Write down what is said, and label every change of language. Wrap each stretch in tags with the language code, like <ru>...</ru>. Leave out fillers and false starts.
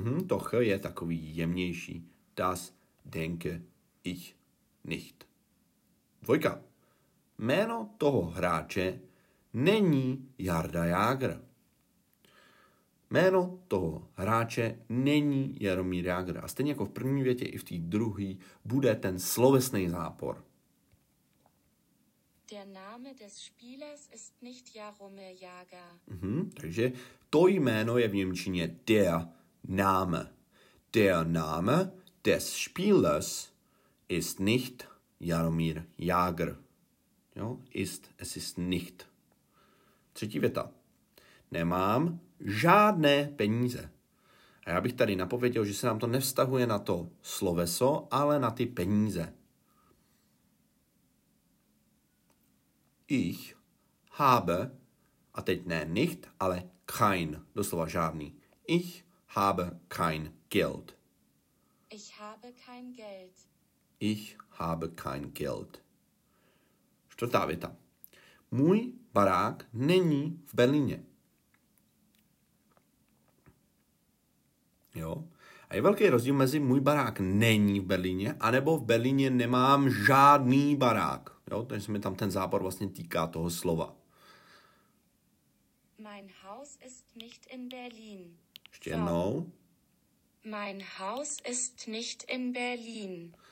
<cs>To ch je takový jemnější.</cs> <de>Das denke ich nicht.</de> <cs>Dvojka. Jméno toho hráče není Jarda Jágr. Jméno toho hráče není Jaromír Jágr. A stejně jako v první větě i v té druhé bude ten slovesný zápor.</cs> <de>Der Name des Spielers ist nicht Jaromír Jágr.</de> <cs>Takže to jméno je v němčině der Name.</cs> <de>Der Name des Spielers ist nicht Jaromír Jágr. Jo? Ist, es ist nicht.</de> <cs>Třetí věta. Nemám žádné peníze. A já bych tady napověděl, že se nám to nevztahuje na to sloveso, ale na ty peníze.</cs> <de>Ich habe,</de> <cs>a teď ne nicht, ale kein, doslova žádný.</cs> <de>Ich habe kein Geld. Ich habe kein Geld. Ich habe kein Geld.</de> <cs>Čtvrtá věta. Můj barák není v Berlíně. Jo? A je velký rozdíl mezi můj barák není v Berlíně, anebo v Berlíně nemám žádný barák. Jo? Takže se mi tam ten zápor vlastně týká toho slova.</cs> <de>Mein Haus ist nicht in Berlin.</de> <cs>Ještě jednou.</cs> <de>Mein Haus ist nicht in Berlin.</de>